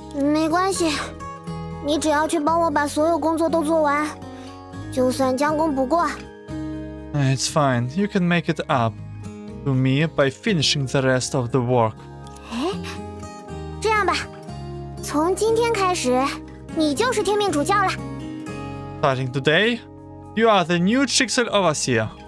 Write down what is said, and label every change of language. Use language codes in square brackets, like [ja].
[zh] 没关系，你只要去帮我把所有工作都做完，就算将功补过。It's [en] fine. You can make it up to me by finishing the rest of the work. [zh] 哎，这样吧，从今天开始，你就是天命主教了。 [en] Starting today, you are the new Schicksal overseer.